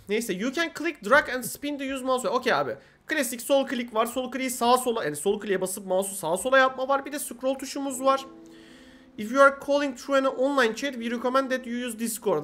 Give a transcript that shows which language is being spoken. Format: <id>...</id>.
<en>Neyse you can click, drag and spin to use mouse.</en> <tr>Okey abi. Klasik sol klik var. Sol kliği sağa sola. Yani sol kliğe basıp mouse'u sağa sola yapma var. Bir de scroll tuşumuz var.</tr> <en>If you are calling through an online chat, we recommend that you use Discord.</en>